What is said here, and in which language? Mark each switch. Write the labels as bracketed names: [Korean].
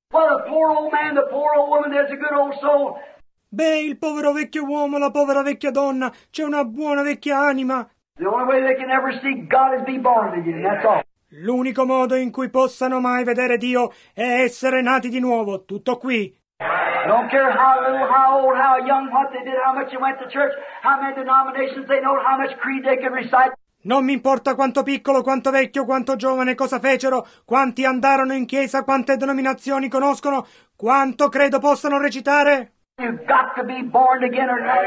[English] Well, the poor old man, the poor old woman, there's a good old soul. [Italian] Beh, il povero vecchio uomo, la povera vecchia donna, c'è una buona vecchia anima. [English] The only way they can ever see God is be born again, that's all. [Italian] L'unico modo in cui possano mai vedere Dio è essere nati di nuovo, tutto qui. [English] Don't care how little, how old, how young, what they did, how much they went to church, how many denominations they know, how much creed they could recite. [Italian] Non mi importa quanto piccolo, quanto vecchio, quanto giovane, cosa fecero, quanti andarono in chiesa, quante denominazioni conoscono, quanto credo possano recitare. [English] You've got to be born again or